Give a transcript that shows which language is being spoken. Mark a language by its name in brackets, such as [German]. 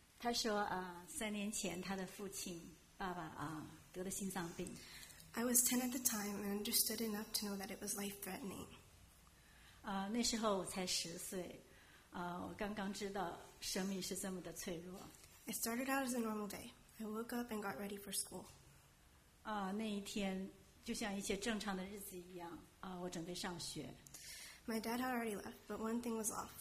[Chinese] 她说三年前她的父亲爸爸得了心脏病。 [English] I was 10 at the time and understood enough to know that it was life-threatening. [Chinese] 那时候我才十岁，我刚刚知道生命是这么的脆弱。 [English] It started out as a normal day. I woke up and got ready for school. [Chinese] 那一天。就像一些正常的日子一样，我准备上学。 [English] My dad had already left, but one thing was off.